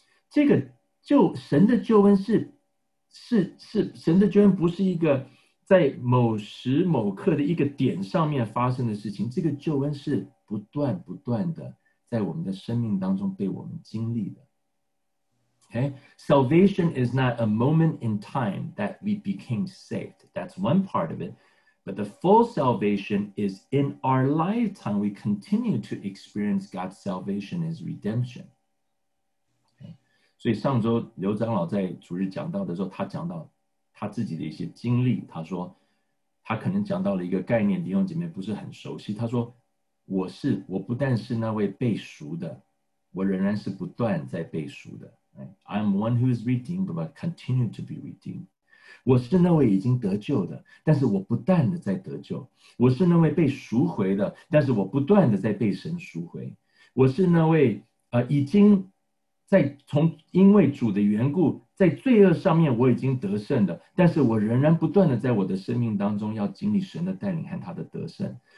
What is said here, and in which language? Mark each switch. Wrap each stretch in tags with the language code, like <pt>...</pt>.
<zh>这个救神的救恩是神的救恩，不是一个在某时某刻的一个点上面发生的事情。这个救恩是不断不断的在我们的生命当中被我们经历的。</zh> <en>Okay? Salvation is not a moment in time that we became saved. That's one part of it. But the full salvation is in our lifetime. We continue to experience God's salvation as redemption. Okay?</en> <zh>所以上周刘长老在主日讲到的时候，他讲到他自己的一些经历，他说他可能讲到了一个概念，弟兄姐妹不是很熟悉。他说我不但是那位被赎的，我仍然是不断在被赎的。</zh> <en>I'm one who is redeemed, but continue to be redeemed.</en> <zh>我是那位已经得救的，但是我不断的在得救。我是那位被赎回的，但是我不断的在被神赎回。我是那位、已经在从因为主的缘故，在罪恶上面我已经得胜的，但是我仍然不断的在我的生命当中要经历神的带领和他的得胜。</zh>